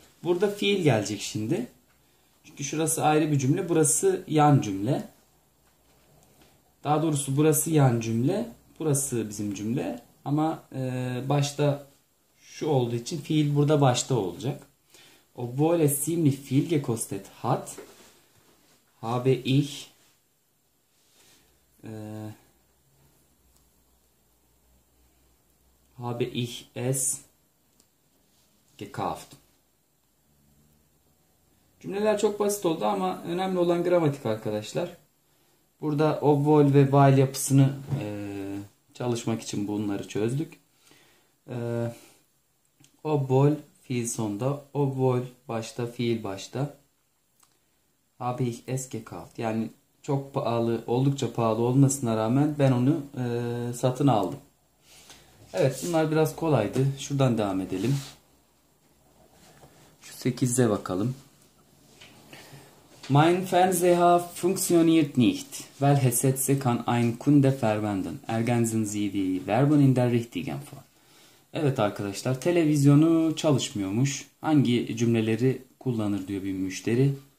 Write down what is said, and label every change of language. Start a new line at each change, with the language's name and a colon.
Turkish: Burada fiil gelecek şimdi. Çünkü şurası ayrı bir cümle. Burası yan cümle. Daha doğrusu burası yan cümle. Burası bizim cümle. Ama başta şu olduğu için fiil burada başta olacak.
German: Obwohl es ziemlich viel gekostet hat. Habe ich habe ich es gekauft.
Turkish: Cümleler çok basit oldu ama önemli olan gramatik arkadaşlar. Burada obvol ve while yapısını çalışmak için bunları çözdük. Obvol fiil sonda, obvol başta, fiil başta.
German: Habe ich es gekauft.
Turkish: Yani çok pahalı, oldukça pahalı olmasına rağmen ben onu satın aldım. Evet, bunlar biraz kolaydı. Şuradan devam edelim. Şu 8'e bakalım.
German: Mein Fernseher funktioniert nicht, weil es setze kann ein Kunde verwenden. Ergänzen Sie die Verben in der richtigen Form.
Turkish: Evet arkadaşlar, televizyonu çalışmıyormuş. Hangi cümleleri kullanır diyor bir müşteri.